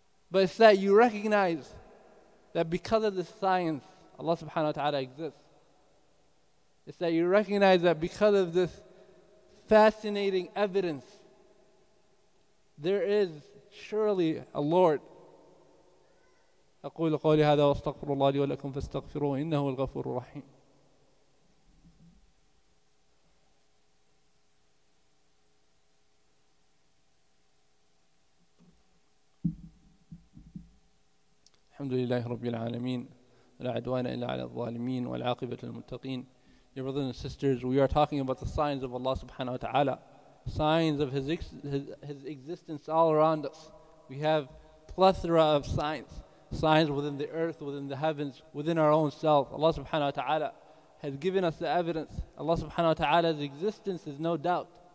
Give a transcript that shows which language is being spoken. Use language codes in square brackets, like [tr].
[en] But it's that you recognize that because of this science, Allah subhanahu wa ta'ala exists. It's that you recognize that because of this fascinating evidence, there is surely a Lord. [ar] أقول قولي هذا واستغفر الله لي ولكم فاستغفروه إنه الغفور الرحيم. الحمد لله رب العالمين لا عدوان إلا على الظالمين والعاقبة للمتقين. [en] Dear brothers and sisters, we are talking about the signs of Allah subhanahu wa ta'ala, signs of his existence all around us. We have plethora of signs. Signs within the earth, within the heavens, within our own self. Allah subhanahu wa ta'ala has given us the evidence. Allah subhanahu wa ta'ala's existence is no doubt.